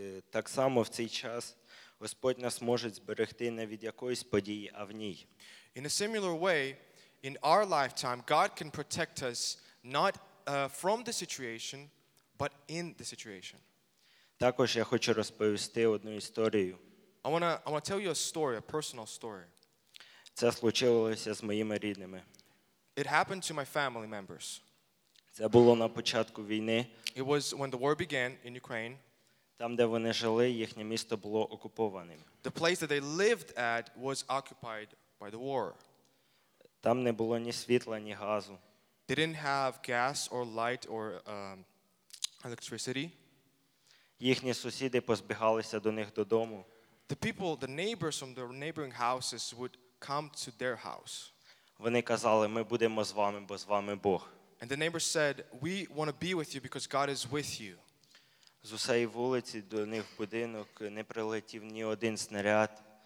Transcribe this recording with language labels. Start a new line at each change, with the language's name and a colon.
Ukrainian: Так само в цей час Господь нас може зберегти не від якоїсь події, а в ній.
English: In a similar way, in our lifetime, God can protect us not from the situation, but in the situation.
Ukrainian: Також я хочу розповісти одну історію.
English: I want to tell you a story, a personal story.
Ukrainian: Це случилося з моїми рідними.
English: It happened to my family members.
Ukrainian: Це було на початку війни.
English: It was when the war began in Ukraine.
Ukrainian: Там, де вони жили, їхнє місто було окупованим.
English: The place that they lived at was occupied by the war.
Ukrainian: Там не було ні світла, ні газу.
English: They didn't have gas or light or electricity.
Ukrainian: Їхні сусіди позбігалися до них додому.
English: The people, the neighbors from the neighboring houses would come to their house.
Ukrainian: Вони казали, ми будемо з вами, бо з вами Бог.
English: And the neighbor said, we want to be with you because God is with you.
Ukrainian: З усієї вулиці до них будинок не прилетів ні один снаряд.